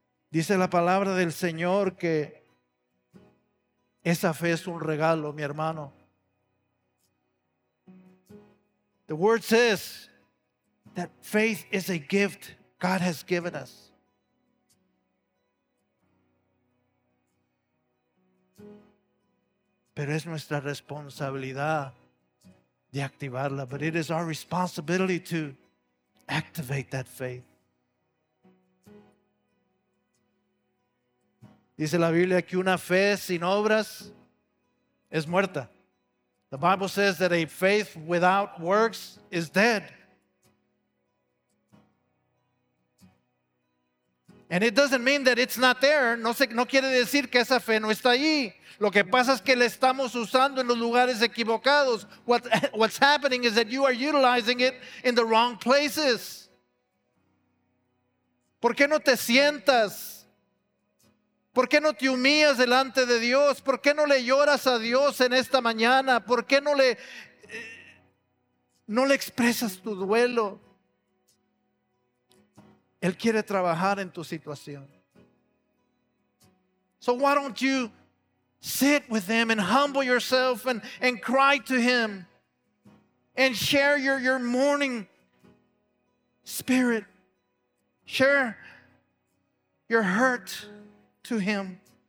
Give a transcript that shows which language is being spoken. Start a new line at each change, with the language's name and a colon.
Spanish: Dice la palabra del Señor que esa fe es un regalo, mi hermano.
English: The word says that faith is a gift God has given us.
Spanish: Pero es nuestra responsabilidad de activarla.
English: But it is our responsibility to activate that faith.
Spanish: Dice la Biblia que una fe sin obras es muerta.
English: The Bible says that a faith without works is dead. And it doesn't mean that it's not there.
Spanish: No quiere decir que esa fe no está ahí. Lo que pasa es que la estamos usando en los lugares equivocados.
English: What's happening is that you are utilizing it in the wrong places.
Spanish: ¿Por qué no te sientas? ¿Por qué no te humillas delante de Dios? ¿Por qué no le lloras a Dios en esta mañana? ¿Por qué no le expresas tu duelo? Él quiere trabajar en tu situación.
English: So why don't you sit with him and humble yourself and cry to him and share your mourning spirit. Share your hurt to him.